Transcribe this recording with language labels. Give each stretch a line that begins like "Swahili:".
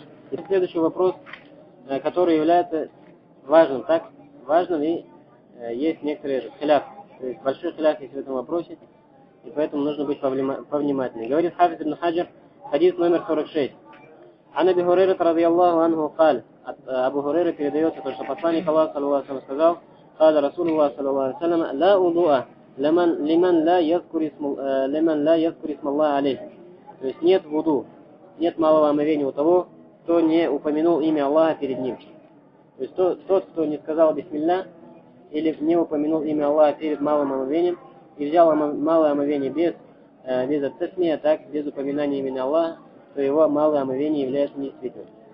Russian: Теперь следующий вопрос, который является важным. Так важно ли есть некоторый халяф? То есть большой халяф есть в этом вопросе, и поэтому нужно быть повнимательнее. Говорит Хафиз ибн Хаджар, хадис номер 46.
Arabic: Ан Аби Хурайра радиаллаху анху каль.
Russian: От Абу Хурайры передается то, что посланник Аллаха саллаллаху алейхи ва саллям сказал:
Arabic: قال رسول الله صلى الله عليه
Russian: وسلم لا وضوء لمن لا يذكر اسم الله عليه. То есть нет вуду, нет малого омовения у того, кто не упомянул имя Аллаха перед ним. То есть тот, кто не сказал бисмилля или не упомянул имя Аллаха перед малым омовением и взял малое омовение без ат-тасмия, так без упоминания имени Аллаха, то его малое омовение является недействительным.